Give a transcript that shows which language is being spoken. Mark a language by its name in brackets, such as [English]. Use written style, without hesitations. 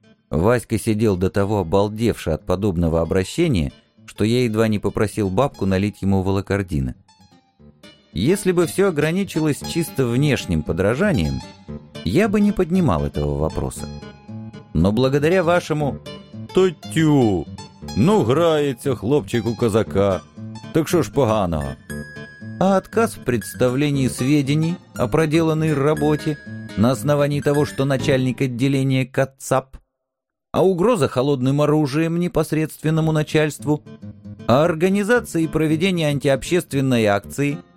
[Russian] Васька сидел до того обалдевший от подобного обращения, что я едва не попросил бабку налить ему волокордина. Если бы все ограничилось чисто внешним подражанием, я бы не поднимал этого вопроса. Но благодаря вашему [Ukrainian] «Татю, ну грається хлопчик у казака, так шо ж поганого?» [Russian] А отказ в представлении сведений о проделанной работе на основании того, что начальник отделения КАЦАП, а угроза холодным оружием непосредственному начальству, а организация и проведение антиобщественной акции.